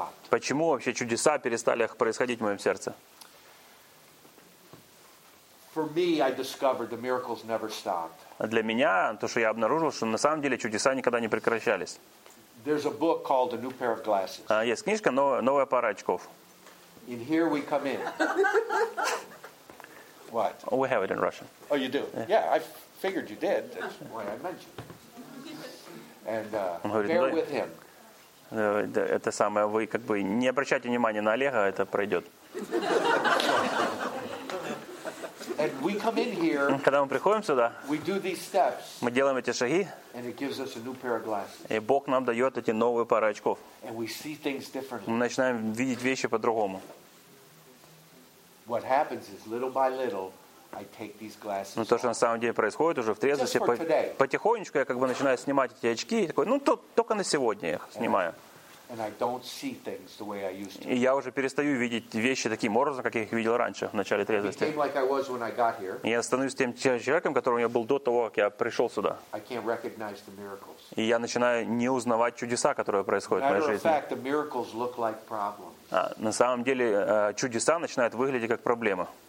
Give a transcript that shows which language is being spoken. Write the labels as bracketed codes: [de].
[ru] Почему вообще чудеса перестали происходить в моем сердце? [en] For me, I discovered the miracles never stopped. [ru] Для меня то, что я обнаружил, что на самом деле чудеса никогда не прекращались. [en] There's a book called A New Pair of Glasses. [ru] Есть книжка «Новая пара очков». [en] And here we come in. What? Oh, we have it in Russian. Oh, you do? Yeah, I figured you did. That's why I mentioned. And bear with him. [ru] Это самое, вы как бы не обращайте внимания на Олега, это пройдет. [en] And we come in here, [ru] когда мы приходим сюда, [en] we do these steps, [ru] мы делаем эти шаги, [en] and it gives us a new pair of glasses. [ru] И Бог нам дает эти новые пары очков. [en] And we see things differently. [ru] Мы начинаем видеть вещи по-другому. [en] What happens is, little by little, I take these glasses. [ru] Ну, то, что на самом деле происходит уже в трезвости, потихонечку я как бы начинаю снимать эти очки, и такой, ну, только на сегодня я их снимаю. [en] And I don't see things the way I used to. [ru] И я уже перестаю видеть вещи таким образом, как я их видел раньше, в начале трезвости. [en] Like I was when I got here. [ru] Я становлюсь тем человеком, которым я был до того, как я пришел сюда. [en] I can't recognize the miracles. [ru] И я начинаю не узнавать чудеса, которые происходят в моей жизни. [en] Matter of fact, the miracles look like problems. [ru] На самом деле чудеса начинают выглядеть как проблемы.